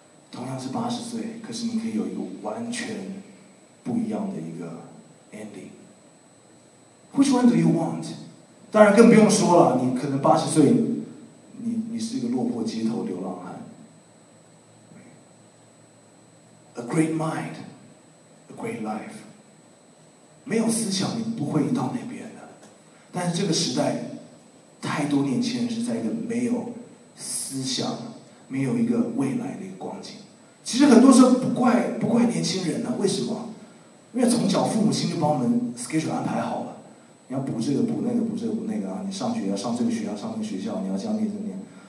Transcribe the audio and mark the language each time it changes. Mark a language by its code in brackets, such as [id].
[zh] 同样是八十岁，可是你可以有一个完全不一样的一个ending。 [en] Which one do you want? [zh] 当然更不用说了，你可能八十岁，你是一个落魄街头流浪汉。 [en] A great mind, a great life. [zh] 没有思想你不会到那边的，但是这个时代太多年轻人是在一个没有思想、没有一个未来的一个光景。其实很多时候不怪年轻人呢，为什么？因为从小父母亲就帮我们 schedule 安排好了，你要补这个补那个补这个补那个啊，你上学要上这个学校上这个学校，你要这样那样那样。